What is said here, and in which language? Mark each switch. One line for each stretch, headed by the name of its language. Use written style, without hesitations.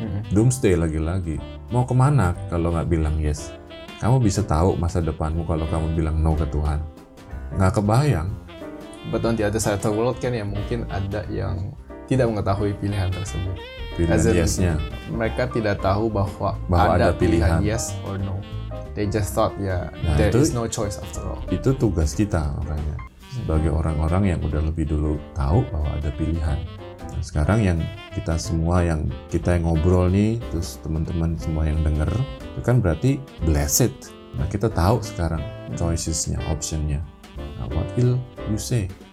Indonesian: Doomsday lagi-lagi. Mau kemana kalau gak bilang yes? Kamu bisa tahu masa depanmu kalau kamu bilang no ke Tuhan. Gak kebayang.
English: But on the other side of the world
Indonesian: kan ya, mungkin ada yang tidak mengetahui pilihan tersebut. Pilihan yes-nya. Mereka tidak tahu bahwa ada pilihan
English: yes or no. They just thought, yeah, nah, there itu, is no choice after all.
Indonesian: Itu tugas kita makanya. Sebagai orang-orang yang udah lebih dulu tahu bahwa ada pilihan. Nah, sekarang yang kita semua, yang kita yang ngobrol nih, terus teman-teman semua yang dengar, itu kan berarti blessed. Nah, kita tahu sekarang choices-nya, option-nya.
English: Nah, what will you say?